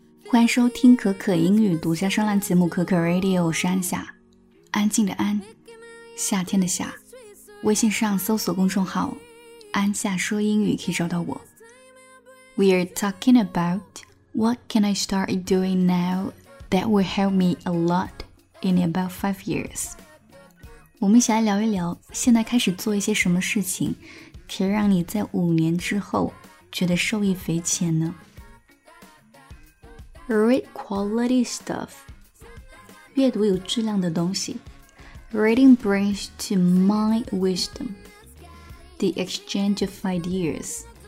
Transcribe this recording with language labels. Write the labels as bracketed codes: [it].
[zh] 欢迎收听可可英语独家声浪节目可可 Radio， 我是安夏，安静的安，夏天的夏。微信上搜索公众号安夏说英语可以找到我。 [en] We are talking about what can I start doing now that will help me a lot in about 5 years。 [zh] 我们一起来聊一聊现在开始做一些什么事情可以让你在5年之后觉得受益匪浅呢？ [en] Read quality stuff. [zh] 阅读有质量的东西。 [en] Reading brings to mind wisdom. The exchange of ideas.